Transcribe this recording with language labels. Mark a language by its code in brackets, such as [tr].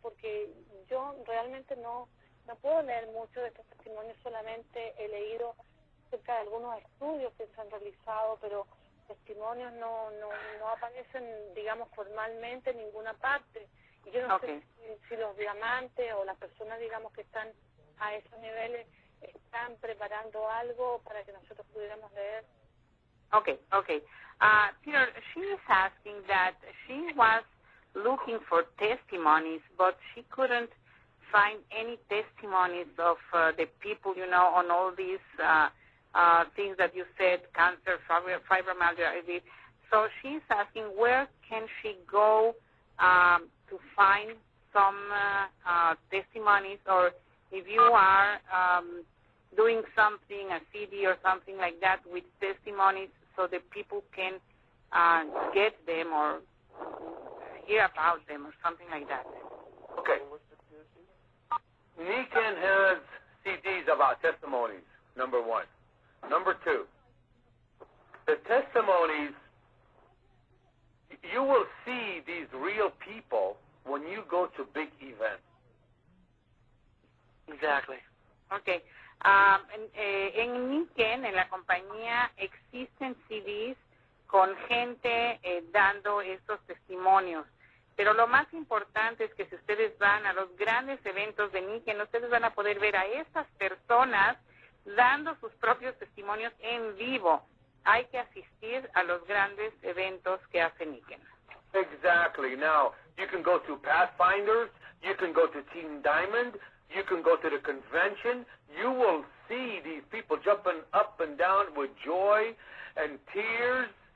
[es] Porque yo realmente no puedo leer mucho de estos testimonios, solamente he leído acerca de algunos estudios que se han realizado, pero testimonios no aparecen, digamos, formalmente en ninguna parte. Y yo no [en] okay. [es] sé si los diamantes o las personas, digamos, que están a esos niveles están preparando algo para que nosotros pudiéramos leer. [en] Okay. Peter, she is asking that she was looking for testimonies, but she couldn't find any testimonies of the people, you know, on all these things that you said, cancer, fibromyalgia. So she's asking, where can she go to find some testimonies, or if you are doing something, a CD or something like that with testimonies, so the people can get them or hear about them or something like that. Okay. Nikan has CDs about testimonies, number one. Number two, the testimonies, you will see these real people when you go to big events. Exactly. Okay. [es] En Nikan, en la compañía, existen CDs con gente dando estos testimonios. Pero lo más importante es que si ustedes van a los grandes eventos de Nikan, ustedes van a poder ver a estas personas dando sus propios testimonios en vivo. Hay que asistir a los grandes eventos que hace Nikan. [en] Exactly. Now, you can go to Pathfinders, you can go to Team Diamond, you can go to the convention. You will see these people jumping up and down with joy and tears.